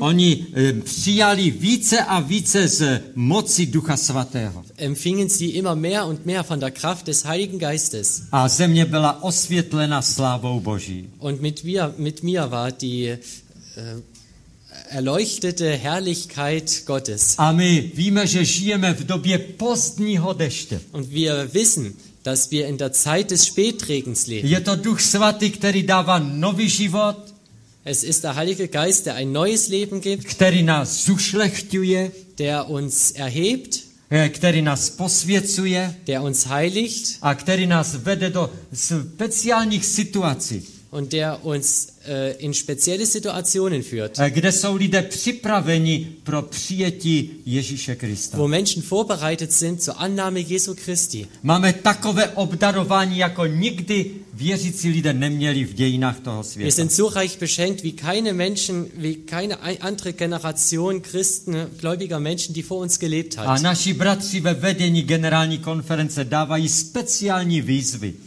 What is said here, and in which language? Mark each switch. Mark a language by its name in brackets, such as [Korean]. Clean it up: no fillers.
[Czech] oni přijali více a více z moci Ducha Svatého. [German] Empfingen sie immer mehr und mehr von der Kraft des Heiligen Geistes. [Czech] A země byla osvětlena slávou Boží. [German] Und mit mir war die erleuchtete Herrlichkeit Gottes. [Czech] A my víme, že žijeme v době pozdního deště. [German] Und wir wissen, dass wir in der Zeit des Spätregens leben. [Czech] Je to Duch Svatý, který dává nový život. [German] Es ist der Heilige Geist, der ein neues Leben gibt, [Czech] který nás zušlechtuje, [German] der uns erhebt, [Czech] který nás posvěcuje, [German] der uns heiligt, [Czech] a který nás vede do speciálních situací, [German] und der uns in spezielle Situationen führt, [Czech] kde jsou lidé připraveni pro přijetí Ježíše Krista. [German] Wo Menschen vorbereitet sind zur Annahme Jesu Christi. [Czech] Máme takové obdarování, jako nikdy věřící lidé neměli v dějinách toho světa. [German] Wir sind so reich beschenkt, wie keine andere Generation Christen, gläubiger Menschen, die vor uns gelebt hat. [Czech] A naši bratři ve vedení generální konference dávají speciální výzvy.